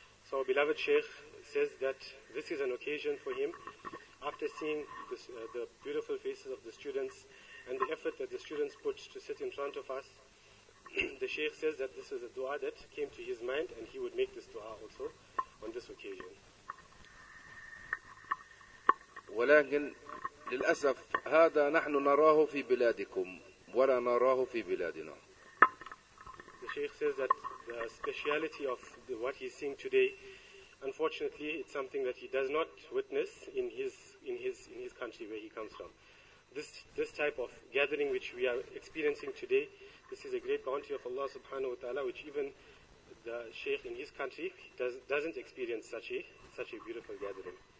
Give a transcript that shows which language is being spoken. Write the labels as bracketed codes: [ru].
[en] So our beloved Shaykh says that this is an occasion for him, after seeing this, the beautiful faces of the students and the effort that the students put to sit in front of us, the Shaykh says that this is a dua that came to his mind, and he would make this dua also on this occasion. [ar] ولكن للأسف هذا نحن نراه في بلادكم ولا نراه في بلادنا. [en] The Shaykh says that the speciality of what he's seeing today, unfortunately, it's something that he does not witness in his country where he comes from. This type of gathering which we are experiencing today, this is a great bounty of Allah subhanahu wa ta'ala, which even the Shaykh in his country doesn't experience such a beautiful gathering.